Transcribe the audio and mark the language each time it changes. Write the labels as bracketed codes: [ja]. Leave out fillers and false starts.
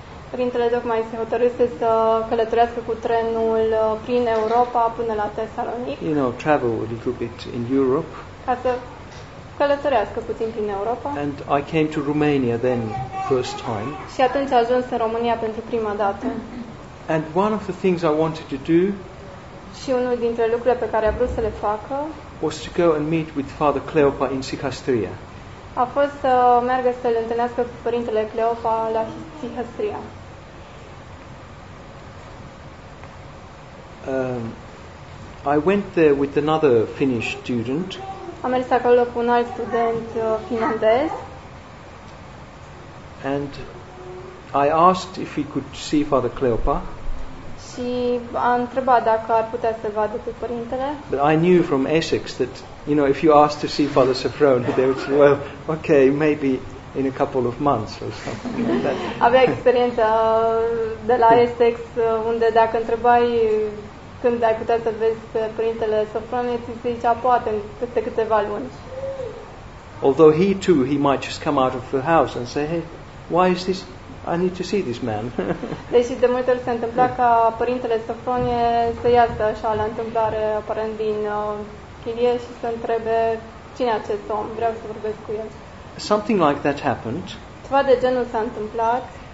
[ro] Părintele Docmai se hotărâse să călătorească cu trenul prin Europa până la Thessalonica. [en] You know, travel a little bit in Europe. [ro] Ca să călătorească puțin prin Europa. [en] And I came to Romania then first time. [ro] Și atunci a ajuns în România pentru prima dată. [en] And one of the things I wanted to do [ro] și unul dintre lucrurile pe care a vrut să le facă [en] was to go and meet with Father Cleopa in Sihăstria. [ro] A fost să meargă să îl întâlnească cu părintele Cleopa la Sihăstria. [en] I went there with another Finnish student. [ro] Am mers acolo cu un alt student finlandez. [en] And I asked if he could see Father Cleopa. [ro] Și a întrebat dacă ar putea să vadă pe părintele. [en] But I knew from Essex that, you know, if you asked to see Father Sofroni, they would say, well, okay, maybe in a couple of months or something like that. [ro] Avea experiența de la Essex, unde dacă întrebai când ai putea să vezi pe părintele Sofroni, ți se zicea poate peste câteva luni. [en] although he too, he might just come out of the house and say, hey, why is this? I need to see this man. [ro] Deși de multe ori se întâmpla ca părintele Sofronie să iasă așa la întâmplare aparent din chilie și să întrebe cine e acest om, vreau să vorbesc cu el. [en] Something like that happened. [ro] Ceva de genul s-a întâmplat.